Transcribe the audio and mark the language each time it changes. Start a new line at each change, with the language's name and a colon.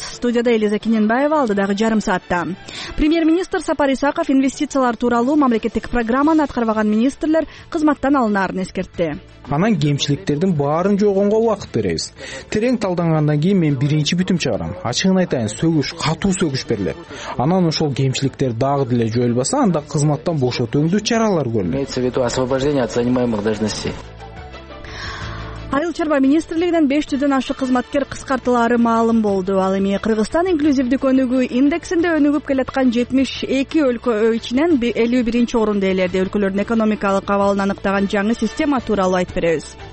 Kyrgyz: Студияда Элиза Кененбаева, алдыдагы жарым саатта. Премьер-министр Сапар Исаков инвестициялар тууралуу мамлекеттик программаны аткарбаган министрлер кызматтан алынаарын эскертти. Анан кемчиликтердин баарын жойгонго убакыт беребиз. Терең талдангандан кийин мен биринчи бүтүм чыгарам. Ачыгын айтайын, сөгүш, катуу сөгүш берилет. Анан ошол кемчиликтер дагы деле жоюлбаса, анда кызматтан бошотууңду чаралар көрүлөт.
Russian: Имеется в виду освобождение от занимаемых должностей.
Kyrgyz: Айыл чарба министрлигинен 500 ашык кызматкер кыскартылары маалым болду. Ал эми Кыргызстан инклюзивдик өнүгүү индексинде өнүгүп келаткан 72 өлкө ичинен 51 орунду ээледи. Өлкөлөрдүн экономикалык абалын аныктаган жаңы система тууралуу айтып беребиз.